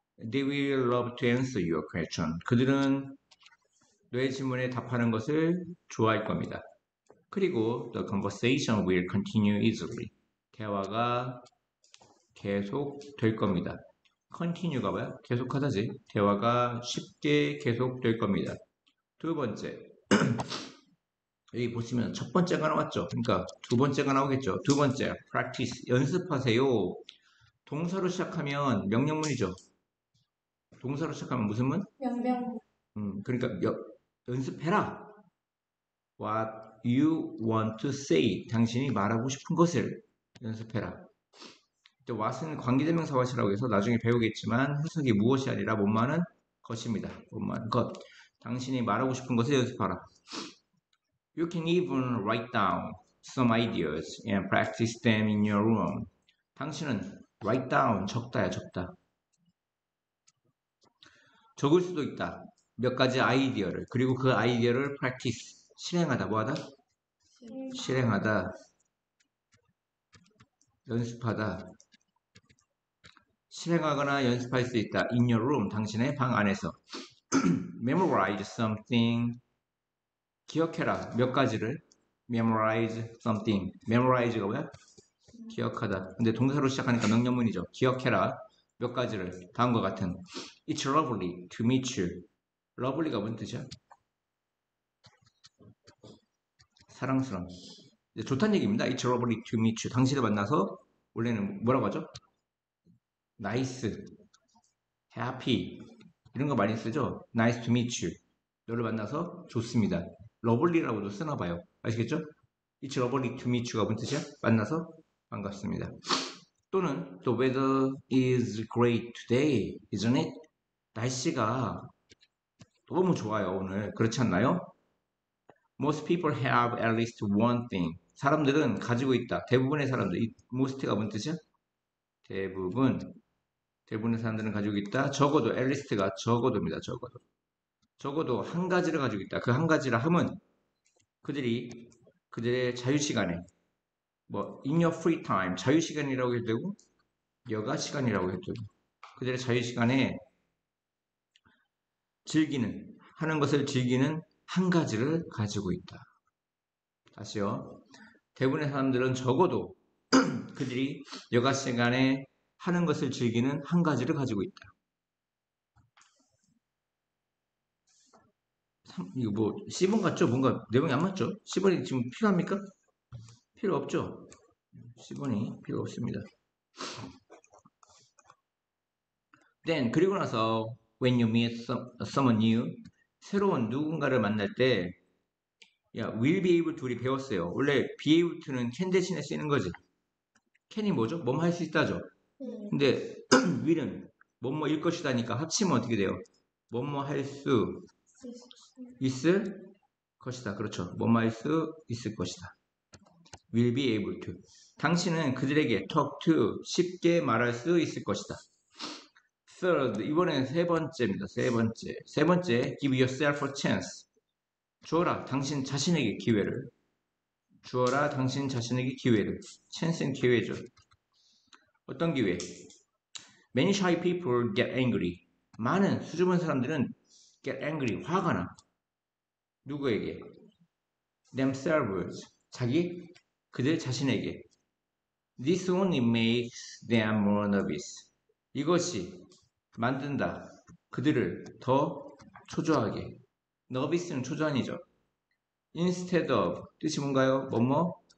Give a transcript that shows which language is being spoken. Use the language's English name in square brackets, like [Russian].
[English] They will love to answer your question. [Korean] 그들은 너의 질문에 답하는 것을 좋아할 겁니다. [English] 그리고 the conversation will continue easily. [Korean] 대화가 계속 될 겁니다. Continue가 봐요. 계속하다지. 대화가 쉽게 계속 될 겁니다. 두 번째. 여기 보시면 첫 번째가 나왔죠. 그러니까 두 번째가 나오겠죠. 두 번째. Practice. 연습하세요. 동사로 시작하면 명령문이죠. 동사로 시작하면 무슨 문? 명령. 그러니까 연습해라. [English] What you want to say. [Korean] 당신이 말하고 싶은 것을 연습해라. What은 관계대명사 what이라고 해서 나중에 배우겠지만 해석이 무엇이 아니라 뭔가는 것입니다. 뭔가는 것. 당신이 말하고 싶은 것을 연습하라. [English] You can even write down some ideas and practice them in your room. [Korean] 당신은 write down 적다야 적다. 적을 수도 있다. 몇 가지 아이디어를. 그리고 그 아이디어를 practice. 실행하다. 뭐 하다? 실행하다. 연습하다. 실행하거나 연습할 수 있다. [English] In your room, [Korean] 당신의 방 안에서. [English] Memorize something. [Korean] 기억해라. 몇 가지를. [English] Memorize something. [Korean] Memorize가 뭐야? 기억하다. 근데 동사로 시작하니까 명령문이죠. 기억해라. 몇 가지를. 다음과 같은. [English] It's lovely to meet you. [Korean] Lovely가 뭔 뜻이야? 사랑스러운. 좋단 얘기입니다. [English] It's lovely to meet you. [Korean] 당신을 만나서 원래는 뭐라고 하죠? Nice, happy 이런 거 많이 쓰죠? [English] Nice to meet you. [Korean] 너를 만나서 좋습니다. Lovely라고도 쓰나 봐요. 아시겠죠? [English] It's lovely to meet you가 무슨 뜻이야? [Korean] 만나서 반갑습니다. [English] 또는 The weather is great today, isn't it? [Korean] 날씨가 너무 좋아요, 오늘. 그렇지 않나요? [English] Most people have at least one thing. [Korean] 사람들은 가지고 있다. 대부분의 사람들. Most가 무슨 뜻이야? 대부분. 대부분의 사람들은 가지고 있다. 적어도, at least가 적어도입니다. 적어도. 적어도 한 가지를 가지고 있다. 그 한 가지를 함은 그들이 그들의 자유시간에, 뭐, [English] in your free time, [Korean] 자유시간이라고 해도 되고, 여가시간이라고 해도 되고, 그들의 자유시간에 즐기는, 하는 것을 즐기는 한 가지를 가지고 있다. 다시요. 대부분의 사람들은 적어도 그들이 여가 시간에 하는 것을 즐기는 한 가지를 가지고 있다. 이거 뭐 C번 같죠? 뭔가 내용이 안 맞죠? C번이 지금 필요합니까? 필요 없죠? C번이 필요 없습니다. Then, 그리고 나서 [English] when you meet someone new, [Korean] 새로운 누군가를 만날 때 야, [English] will be able to [Korean] 우리 배웠어요. 원래 be able to는 can 대신에 쓰는 거지. can이 뭐죠? 뭐뭐 할 수 있다죠. 근데 will은 뭐뭐일 것이다니까 합치면 어떻게 돼요? 뭐뭐 할 수 있을 것이다. 그렇죠. 뭐뭐 할 수 있을 것이다. [English] will be able to. [Korean] 당신은 그들에게 talk to 쉽게 말할 수 있을 것이다. third. 이번엔 세 번째입니다. 세 번째. 세 번째. [English] give yourself a chance. [Korean] 주어라 당신 자신에게 기회를 주어라 당신 자신에게 기회를 chance는 기회죠 어떤 기회? [English] Many shy people get angry [Korean] 많은 수줍은 사람들은 [English] get angry [Korean] 화가 나 누구에게? themselves 자기 그들 자신에게 [English] this only makes them more nervous [Korean] 이것이 만든다 그들을 더 초조하게 nervous는 초조한이죠 Instead of, 뜻이 뭔가요? 뭐뭐?